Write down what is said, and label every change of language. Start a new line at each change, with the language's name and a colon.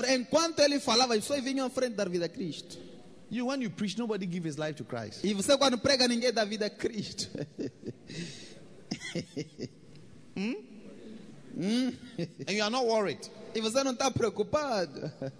Portuguese: Enquanto ele falava, só vinha à frente dar vida a Cristo.
English: You when you preach, nobody gives his life to Christ.
Portuguese: E você quando prega, ninguém dá vida a Cristo.
English: And you are not worried.
Portuguese: E você não está preocupado.